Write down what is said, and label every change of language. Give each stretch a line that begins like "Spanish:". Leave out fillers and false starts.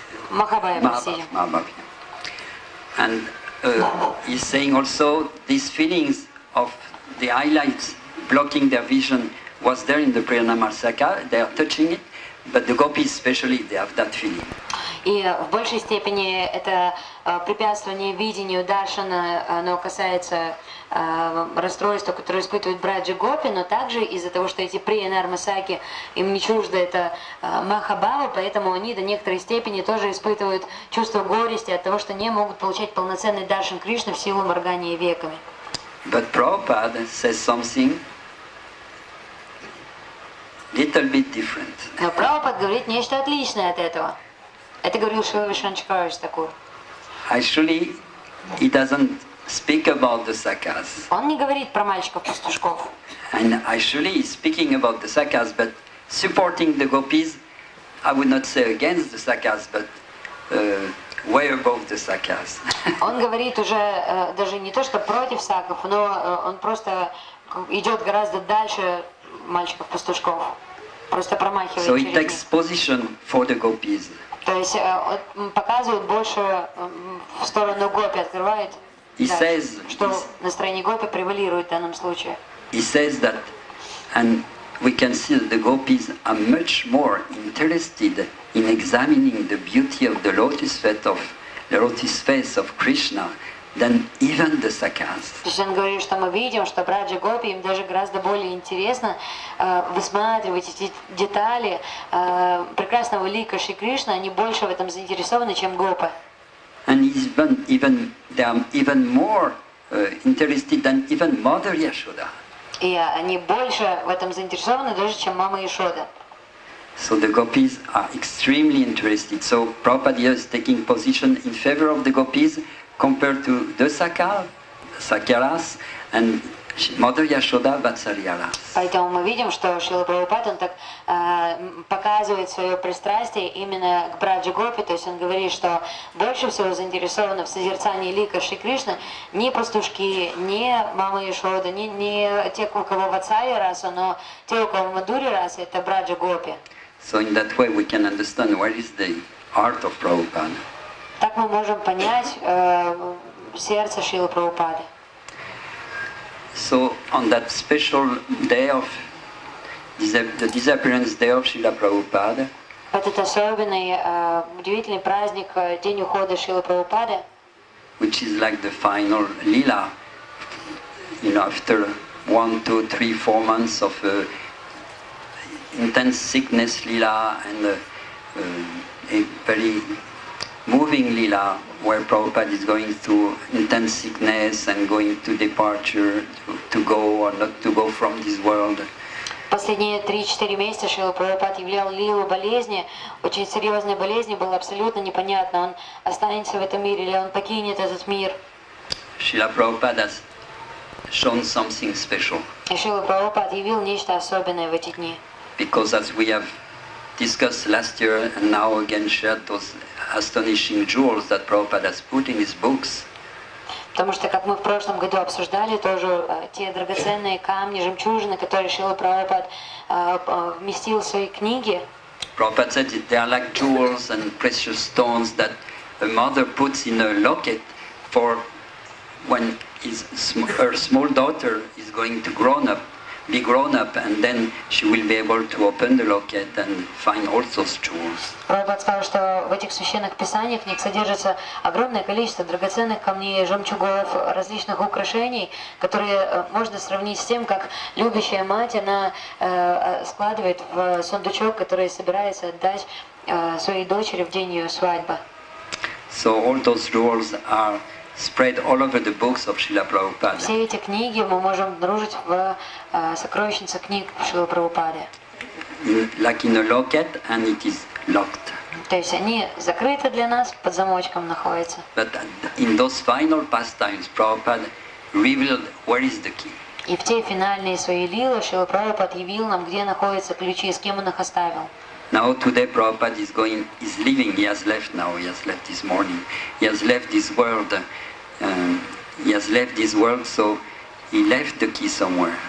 Russian: Махабаве, Махабаве.
English: And he's saying also these feelings of the eyelids blocking their vision was there in the Priyanamasaka, they are touching it, but the gopis especially, they have that feeling.
Russian: И в большей степени это препятствование видению даршана, оно касается расстройства, которое испытывает браджа гопи, но также из-за того, что эти приянармасаки, им не чуждо это махабава, поэтому они до некоторой степени тоже испытывают чувство горести от того, что не могут получать полноценный даршан Кришны в силу моргания веками.
English: But Prabhupada says something little bit different.
Russian: Но Прабхупада говорит нечто отличное от этого. Это говорил Шрила Вишванчакарвич Такур.
English: Actually, he doesn't speak about the sakas.
Russian: Он не говорит про мальчиков-пастушков.
English: And actually, he's speaking about the sakas, but supporting the gopis, I would not say against the sakas, but way above the sakas.
Russian: Он говорит уже даже не то, что против саков, но он просто идет гораздо дальше мальчиков-пастушков. Просто промахивается.
English: So he takes position for the gopis.
Russian: То есть показывает больше в сторону гопи, открывает,
English: дальше, says,
Russian: что настроение гопи превалирует в данном случае.
English: He says that, and we can see that the gopis are much more interested in examining the beauty of the lotus feet of the lotus face of Krishna than even the sakas.
Russian: То есть он говорит, что мы видим, что браджа гопи им даже гораздо более интересно высматривать эти детали прекрасного лика Шри Кришны, они больше в этом заинтересованы, чем гопы.
English: And even they are even more interested than even Mother Yashoda.
Russian: И они больше в этом заинтересованы даже, чем мама Яшода.
English: So the gopis are extremely interested. So Prabhupada is taking position in favor of the gopis. Compared to the Sakaras, And Mother Yashoda Vatsalyala.
Russian: Поэтому мы видим, что Шрила Прабхупада так показывает свое пристрастие именно к Браджа Гопи, то есть он говорит, что больше всего заинтересованы в созерцании лика Шри Кришны не пастушки, не мамы Яшоды, не те, у кого Ватсали раса, но те, у кого Мадури раса, это Браджа Гопи.
English: So in that way we can understand what is the heart of Prabhupada.
Russian: Так мы можем понять сердце Шрилы Прабхупады.
English: So on that special day of the disappearance day of Srila Prabhupada.
Russian: Этот особенный удивительный праздник день ухода Шрилы Прабхупады.
English: Which is like the final lila, you know, after 1, 2, 3, 4 months of intense sickness lila and a very moving lila where Prabhupada is going through intense sickness and going to departure to go or not to go from this world.
Russian: Последние 3-4 месяца Шрила Прабхупада являл лилу болезни, очень серьезной болезни, было абсолютно непонятно, он останется в этом мире или он покинет этот мир.
English: Шрила Прабхупада has shown something special.
Russian: И Шрила Прабхупада явил нечто особенное в эти дни.
English: Because as we have discussed last year and now again shared those astonishing jewels that Prabhupada has put in his books.
Russian: Потому что, как мы в прошлом году обсуждали, тоже те драгоценные камни, жемчужины, которые Шрила Прабхупада вместил в свои книги.
English: Prabhupada said that they are like jewels and precious stones that a mother puts in a locket for when her small daughter is going to be grown up, and then she will be able to open the locket and find all those jewels.
Russian: Прабхупада сказал, что в этих священных писаниях в них содержится огромное количество драгоценных камней, жемчугов, различных украшений, которые можно сравнить с тем, как любящая мать, она складывает в сундучок, который собирается отдать своей дочери в день ее свадьбы.
English: So all those jewels are spread all over the books of Srila Prabhupada.
Russian: Все эти книги мы можем обнаружить в сокровищнице книг Шрилы Прабхупады.
English: Like in a locket, and it is locked.
Russian: То есть они закрыты для нас, под замочком находятся.
English: But in those final pastimes, Prabhupada revealed where is the key.
Russian: И в те финальные свои лилы Шрила Прабхупада явил нам, где находятся ключи, с кем он их оставил.
English: Now today Prabhupada is leaving, he has left now, he has left this morning, he has left this world, so he left the key somewhere.